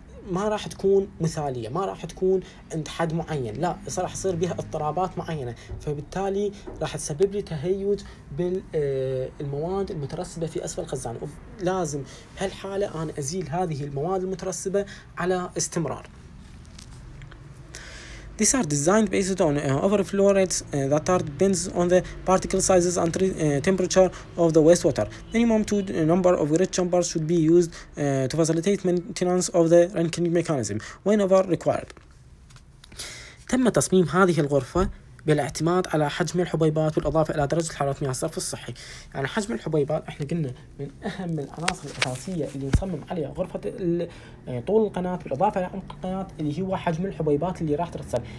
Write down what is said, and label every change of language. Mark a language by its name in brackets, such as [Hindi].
[Arabic] ما راح تكون مثالية، ما راح تكون عند حد معين، لا، راح يصير بها اضطرابات معينة، فبالتالي راح تسبب لي تهيج بالمواد المترسبة في أسفل الخزان، لازم هالحالة أنا أزيل هذه المواد المترسبة على استمرار. [English] These are designed based on overflow rates that are depends on the particle sizes and temperature of the wastewater. Minimum two number of grid chambers should be used to facilitate maintenance of the Rankine mechanism whenever required. [Arabic] تم تصميم هذه الغرفة بالاعتماد على حجم الحبيبات والإضافة إلى درجة حرارة مياه الصرف الصحي. يعني حجم الحبيبات إحنا قلنا من أهم العناصر الأساسية اللي نصمم عليها غرفة طول القناة بالإضافة إلى عمق القناة اللي هو حجم الحبيبات اللي راح ترسل.